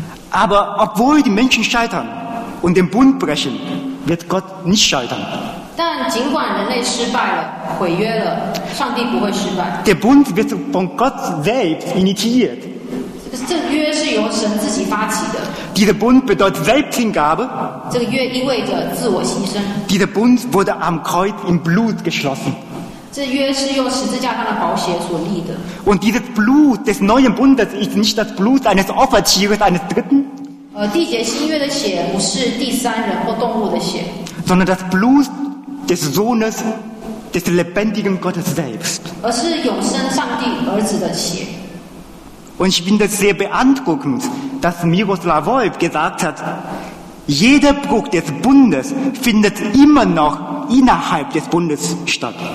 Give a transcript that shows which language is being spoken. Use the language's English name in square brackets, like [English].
[German] Aber obwohl die Menschen scheitern und den Bund brechen, wird Gott nicht scheitern. [Chinese] 但尽管人类失败了，毁约了，上帝不会失败。 [German] Der Bund wird von Gott selbst initiiert. [Chinese] 这个约是由神自己发起的。 [German] Dieser Bund bedeutet Selbsthingabe. [Chinese] 这个约意味着自我牺牲。 [German] Dieser Bund wurde am Kreuz im Blut geschlossen. [Chinese] 这约是用十字架上的宝血所立的。 [German] Und dieses Blut des neuen Bundes ist nicht das Blut eines Opfertieres eines Dritten. [Chinese] 缔结新约的血不是第三人或动物的血。 [German] Sondern das Blut des Sohnes des lebendigen Gottes selbst. [Chinese] 而是永生上帝儿子的血。 [German] Und ich finde es sehr beeindruckend, dass Miroslav Volf gesagt hat, jeder Bruch des Bundes findet immer noch innerhalb des Bundes statt.